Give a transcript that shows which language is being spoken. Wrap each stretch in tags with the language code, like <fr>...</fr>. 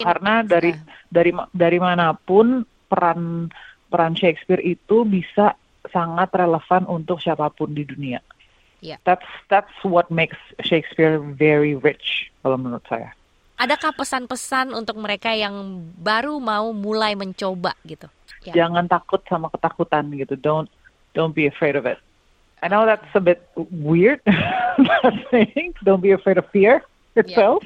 <id>Karena dari manapun peran Shakespeare itu bisa sangat relevan untuk siapapun di dunia.</id> <en>Yeah. That's what makes Shakespeare very rich</en> <id>kalau menurut saya. Adakah pesan-pesan untuk mereka yang baru mau mulai mencoba gitu?</id> <en>Yeah.</en> <id>Jangan takut sama ketakutan gitu.</id> <en>Don't be afraid of it. I know that's a bit weird saying. Don't be afraid of fear itself.</en>